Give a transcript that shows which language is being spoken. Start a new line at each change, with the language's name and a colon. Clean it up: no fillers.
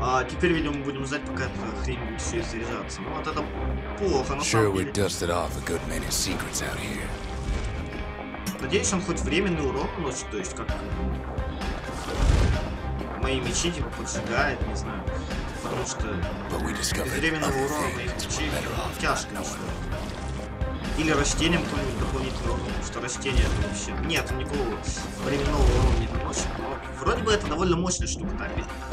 Russian: Теперь, видимо, будем ждать, пока эта хрень будет еще и заряжаться. Ну, вот это плохо, на самом деле.
English: Dusted off a good many secrets out here.
Russian: Надеюсь, он хоть временный урок носит, то есть как... Мои мечи типа поджигает, не знаю. Потому что без временного урока мои мечи тяжко еще. Или растением какой-нибудь дополнительный урон, потому что растение это вообще... Нет, никакого временного урона не наносит, но вроде бы это довольно мощная штука, так ведь?